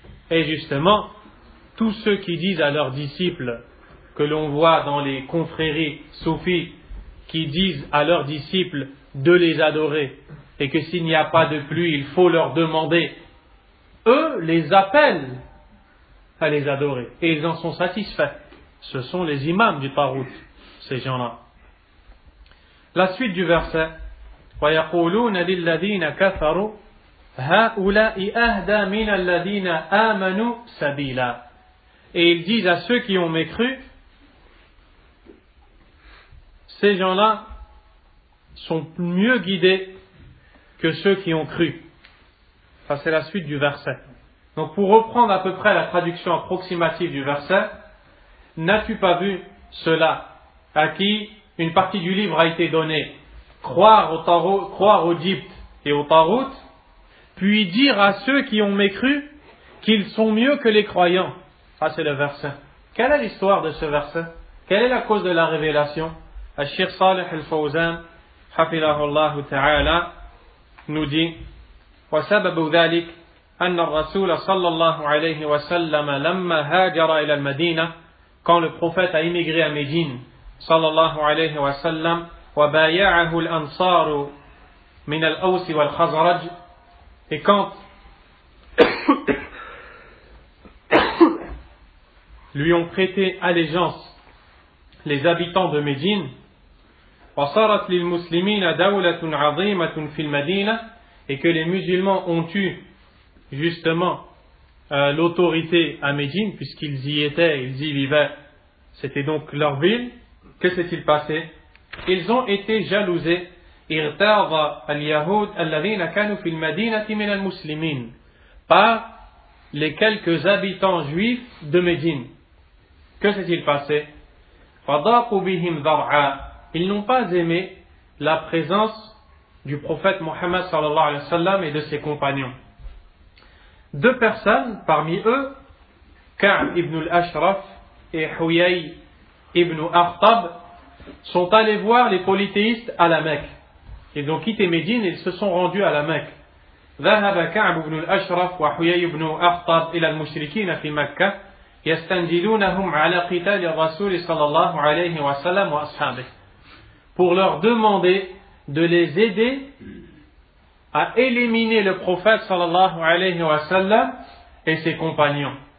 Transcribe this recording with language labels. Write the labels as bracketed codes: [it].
[fr] Et justement, tous ceux qui disent à leurs disciples, que l'on voit dans les confréries soufis, qui disent à leurs disciples de les adorer, et que s'il n'y a pas de pluie, il faut leur demander, eux les appellent à les adorer, et ils en sont satisfaits. Ce sont les imams du tarout, ces gens-là. La suite du verset, [ar] وَيَقُولُونَ لِلَّذِينَ كَفَرُوا هَؤُلَاءِ أَهْدَى مِنَ الَّذِينَ آمَنُوا سَبِيلًا. [fr] Et ils disent à ceux qui ont mécru, ces gens-là sont mieux guidés que ceux qui ont cru. Ça, c'est la suite du verset. Donc, pour reprendre à peu près la traduction approximative du verset, n'as-tu pas vu cela à qui une partie du livre a été donnée, croire au Djibte et au Tarout, puis dire à ceux qui ont mécru qu'ils sont mieux que les croyants. Ah, c'est le verset. Quelle est l'histoire de ce verset? Quelle est la cause de la révélation? Al-Sheikh Salih al-Fawzan, hafidhahullah ta'ala, nous dit [ar] وَسَبَبُ ذَلِكَ أَنَّ الرَّسُولَ صَلَّى اللَّهُ عَلَيْهِ وَسَلَّمَ لَمَّا هَاجَرَ إِلَى الْمَدِينَةِ [fr] quand le prophète a émigré à Médine, sallallahu alayhi wa sallam, [ar] wa bay'ahu al-ansar min al-aws wal-khazraj, [fr] et quand lui ont prêté allégeance les habitants de Médine, [ar] وصارت للمسلمين دولة عظيمة في المدينة, [fr] et que les musulmans ont eu justement l'autorité à Médine, puisqu'ils y étaient, ils y vivaient, c'était donc leur ville. Que s'est-il passé? Ils ont été jalousés. [ar] ارتاض اليهود الذين كانوا في المدينة من المسلمين, [fr] par les quelques habitants juifs de Médine. Que s'est-il passé? [ar] فضاقوا بهم ذرعا, [fr] ils n'ont pas aimé la présence du prophète Mohammed sallallahu alayhi wa sallam et de ses compagnons. Deux personnes parmi eux, Ka'b ibn al-Ashraf et Huyay ibn Akhtab, sont allés voir les polythéistes à la Mecque. Ils ont quitté Médine et ils se sont rendus à la Mecque. [ar] ذهب كعب بن الأشرف وحيي بن أخطب إلى المشركين في مكة يستنجدونهم على قتال الرسول صلى الله عليه وسلم وأصحابه, [fr] pour leur demander de les aider à éliminer le prophète sallallahu alayhi wa sallam et ses compagnons.